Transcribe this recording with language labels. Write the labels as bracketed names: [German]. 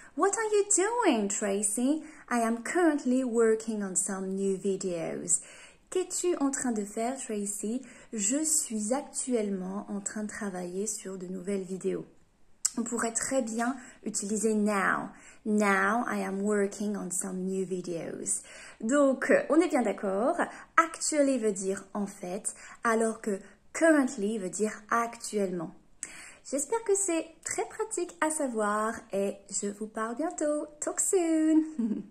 [English] What are you doing, Tracy? I am currently working on some new videos. [French] Qu'es-tu en train de faire, Tracy? Je suis actuellement en train de travailler sur de nouvelles vidéos. On pourrait très bien utiliser now. [English] Now, I am working on some new videos. [French] Donc, on est bien d'accord. Actually veut dire en fait, alors que currently veut dire actuellement. J'espère que c'est très pratique à savoir et je vous parle bientôt. [English] Talk soon!